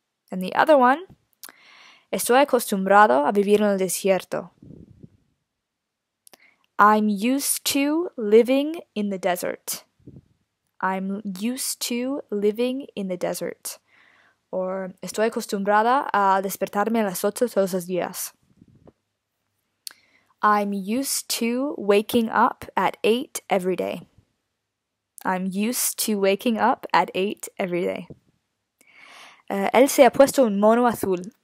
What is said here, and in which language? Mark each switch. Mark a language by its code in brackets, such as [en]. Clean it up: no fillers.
[en] And the other one, [es] estoy acostumbrado a vivir en el desierto. [en] I'm used to living in the desert. I'm used to living in the desert. [es] Or, estoy acostumbrada a despertarme a las 8 todos los días. [en] I'm used to waking up at 8 every day. I'm used to waking up at 8 every day. [es] Él se ha puesto un mono azul.